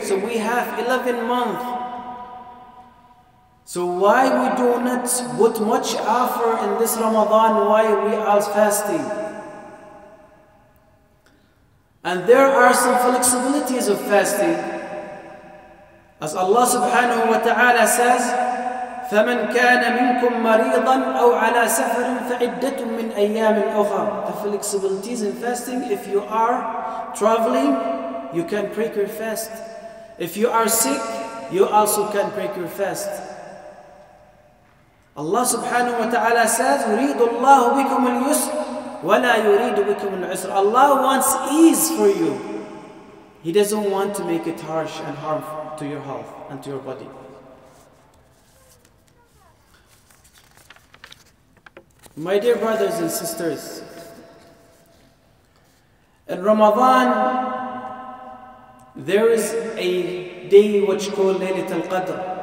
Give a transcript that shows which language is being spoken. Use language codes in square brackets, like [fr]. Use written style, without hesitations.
[en] So we have 11 months. So why we do not put much effort in this Ramadan while we are fasting? And there are some flexibilities of fasting. As Allah subhanahu wa ta'ala says, [ar] فَمَنْ كَانَ مِنْكُمْ مَرِيضًا أَوْ عَلَىٰ سَفَرٍ فَعِدَّةٌ مِّنْ أَيَّامٍ أُخَرٍ. [en] The flexibilities in fasting, if you are traveling, you can break your fast. If you are sick, you also can break your fast. Allah subhanahu wa ta'ala says, [ar] يُرِيدُ اللَّهُ بِكُمُ الْيُسْرِ وَلَا يُرِيدُ بِكُمُ الْعُسْرِ. [en] Allah wants ease for you. He doesn't want to make it harsh and harmful to your health and to your body. My dear brothers and sisters, in Ramadan, there is a day which is called Laylatul Qadr.